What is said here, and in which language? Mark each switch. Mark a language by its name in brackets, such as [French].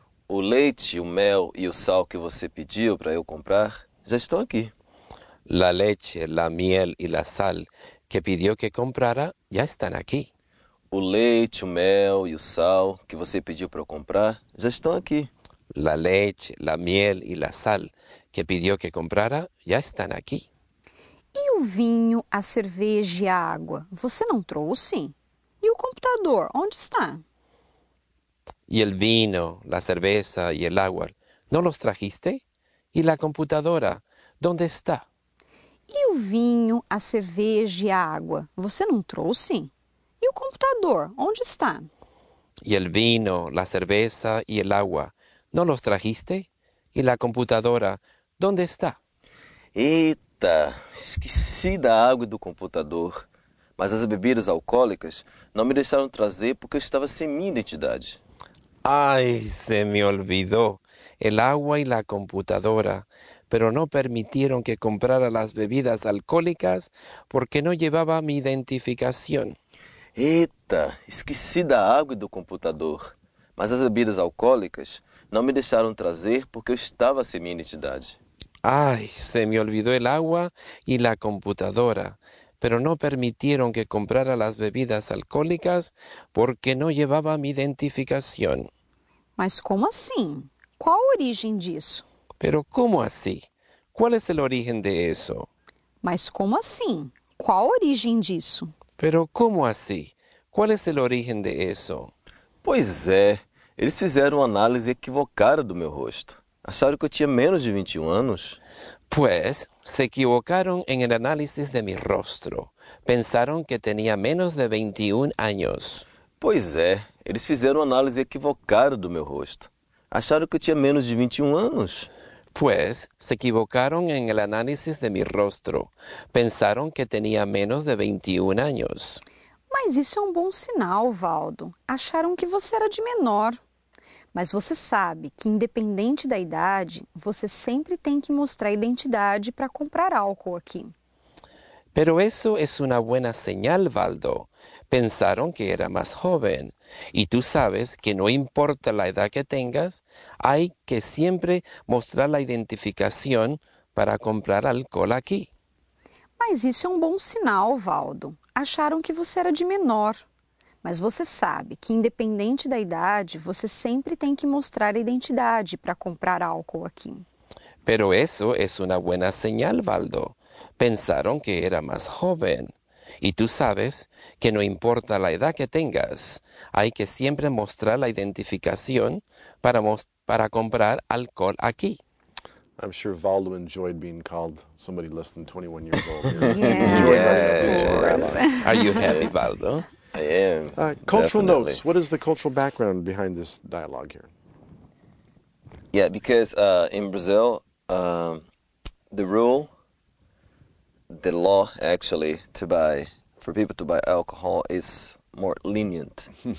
[Portuguese] O leite, o mel e o sal que você pediu para eu comprar já estão aqui. [Spanish] La leche, la miel y la sal que pidió que comprara ya están aquí. [Portuguese] O leite, o mel e o sal que você pediu para eu comprar já estão aqui. [Spanish] La leche, la miel y la sal que pidió que comprara ya están aquí. [Portuguese] E o vinho, a cerveja e a água, você não trouxe? E o computador, onde está? [Spanish] E el vino, la cerveza y el agua, ¿no los trajiste? E la computadora, ¿dónde está? [Portuguese] E o vinho, a cerveja e a água, você não trouxe? E o computador, onde está? [Spanish] E el vino, la cerveza y el agua, ¿no los trajiste? E la computadora, ¿dónde está? [Portuguese] Eita, esqueci da água e do computador. Mas as bebidas alcoólicas não me deixaram trazer porque eu estava sem minha identidade. [Spanish] Ai, se me olvidou. El agua y la computadora, pero no permitieron que comprara las bebidas alcohólicas porque no llevaba mi identificación. [Portuguese] Eita, esqueci da água e do computador. Mas as bebidas alcoólicas não me deixaram trazer porque eu estava sem minha identidade. [Spanish] Ai, se me olvidó el agua y la computadora, pero no permitieron que comprara las bebidas alcohólicas porque no llevaba mi identificación. [Portuguese] Mas como assim? Qual a origem disso? [Spanish] Pero como así? ¿Cuál es el origen de eso? [Portuguese] Mas como assim? Qual a origem disso? [Spanish] Pero como así? ¿Cuál es el origen de eso? [Portuguese] Pois é, eles fizeram uma análise equivocada do meu rosto. Acharam que eu tinha menos de 21 anos. [Spanish] Pues, se equivocaron en el análisis de mi rostro. Pensaron que tenía menos de 21 años. [Portuguese] Pois é, eles fizeram uma análise equivocada do meu rosto. Acharam que eu tinha menos de 21 anos. [Spanish] Pues, se equivocaron en el análisis de mi rostro. Pensaron que tenía menos de 21 años. [Portuguese] Mas isso é um bom sinal, Valdo. Acharam que você era de menor. Mas você sabe que, independente da idade, você sempre tem que mostrar identidade para comprar álcool aqui. [Spanish] Pero eso es una buena señal, Valdo. Pensaron que era más joven. Y tú sabes que no importa la edad que tengas, hay que siempre mostrar la identificación para comprar alcohol aquí. [Portuguese] Mas isso é um bom sinal, Valdo. Acharam que você era de menor. Mas você sabe que, independente da idade, você sempre tem que mostrar a identidade para comprar álcool aqui. [Spanish] Pero eso es una buena señal, Valdo. Pensaron que era más joven. Y tú sabes que no importa la edad que tengas, hay que siempre mostrar la identificación para comprar alcohol aquí. [English] I'm sure Valdo enjoyed being called somebody less than 21 years old. Yes. Are you happy, Valdo? I am. Cultural definitely. Notes. What is the cultural background behind this dialogue here? Yeah, because in Brazil, the rule, the law actually for people to buy alcohol is more lenient.